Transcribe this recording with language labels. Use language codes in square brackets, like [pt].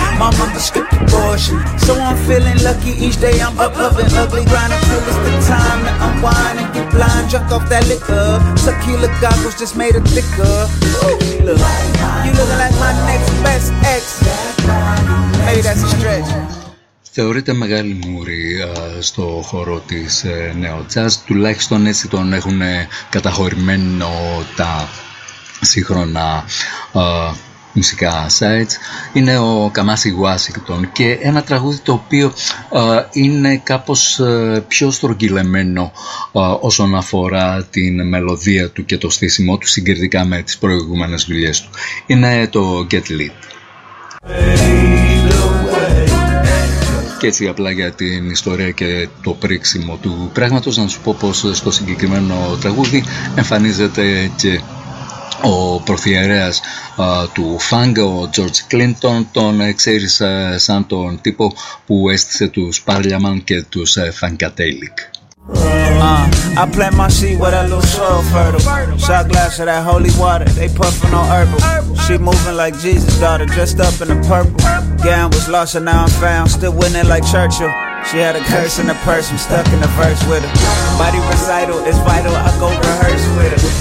[en] My mama skipped abortion, so I'm feeling lucky each day. I'm up, up and ugly, grinding till it's the time to unwind and get blind, drunk off that liquor. Tequila goggles just made it thicker. Ooh, look. You looking like my next best ex. Maybe that's a stretch. [el] Θεωρείται μεγάλη μούρη στο χώρο της νέο τζαζ, τουλάχιστον έτσι τον έχουν καταχωρημένο τα σύγχρονα μουσικά sites. Είναι ο Καμάσι Ουάσιγκτον και ένα τραγούδι το οποίο είναι κάπως πιο στρογγυλεμένο όσον αφορά την μελωδία του και το στήσιμό του συγκριτικά με τις προηγούμενες δουλειές του. Είναι το Get Lit. Και έτσι απλά για την ιστορία και το πρίξιμο του πράγματος να σου πω πως στο συγκεκριμένο τραγούδι εμφανίζεται και ο προθιερέας του Funk, ο George Clinton, τον ξέρεις σαν τον τύπο που έστησε τους Parliament και τους Funkadelic. [en] I plant my seed where that little soil fertile. Shot glass of that holy water, they puffin' on herbal. She moving like Jesus' daughter, dressed up in the purple. Gown was lost and now I'm found, still winning like Churchill. She had a curse in her purse, I'm stuck in the verse with her. Body recital, it's vital, I go rehearse with her.